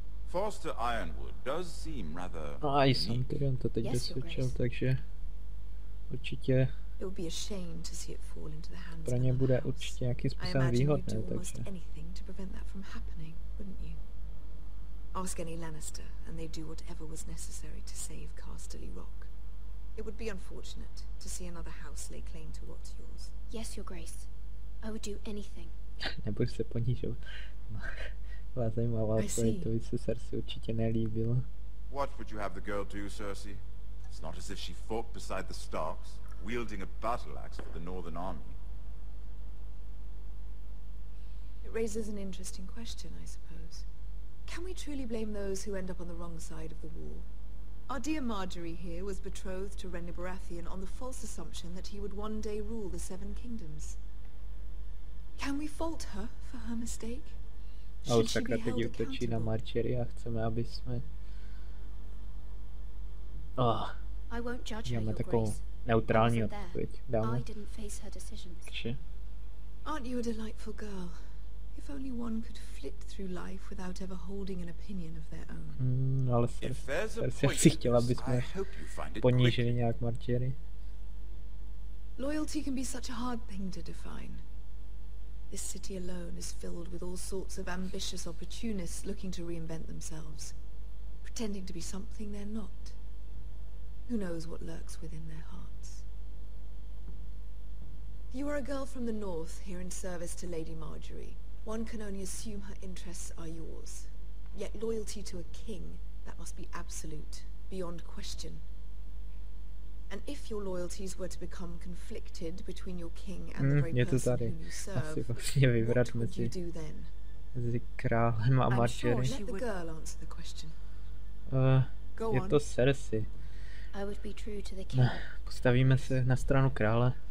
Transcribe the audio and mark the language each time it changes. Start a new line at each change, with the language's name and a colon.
English: Forrester Ironwood does seem rather.
Czech: No a jsem Tyrion to teď dosvědčil, takže určitě.
English: It would be a shame to see it fall into the hands.
Czech: Pro ně bude určitě nějakým způsobem výhodné, takže.
English: Anything to prevent that from happening, wouldn't you? Ask any Lannister and they do whatever was necessary to save Casterly Rock. It would be unfortunate to see another house lay claim to what's yours. Yes, Your Grace. I would do anything.
Czech: Nebudu se ponižovat. Vás zajímavá odpověď, to by se Cersei určitě nelíbilo.
English: What would you have the girl do, Cersei? It's not as if she fought beside the Starks. Wielding a battle axe for the Northern Army. It raises an interesting question, I suppose. Can we truly blame those who end up on the wrong side of the war? Our dear Margaery here was betrothed to Renly Baratheon on the false assumption that he would one day rule the Seven Kingdoms. Can we fault her for her mistake? Should she be held accountable?
Czech: A chceme, aby jsme... oh.
English: I won't judge her,
Czech: máme
English: your
Czech: neutrální
English: grace.
Czech: Dáme.
English: I didn't face her decisions. Kši? Aren't you a delightful girl? If only one could flit through life without ever holding an opinion of their own.
Czech: Ale Cersei asi chtěla, aby jsme ponížili nějak Margaery.
English: Loyalty can be such a hard thing to define. This city alone is filled with all sorts of ambitious opportunists looking to reinvent themselves, pretending to be something they're not. Who knows what lurks within their hearts? You are a girl from the north, here in service to Lady Margaery. One can only assume her interests are yours. Yet loyalty to a king, that must be absolute, beyond question. And if your loyalties were to become conflicted between your king and the very person whom you serve,
Czech: asi
English: what would you do then?
Czech: Králem a Margaery.
English: I'm sure, let the girl answer the question. Go on.
Czech: Je to Cersei.
English: I would be true to the king.
Czech: Postavíme se na stranu krále.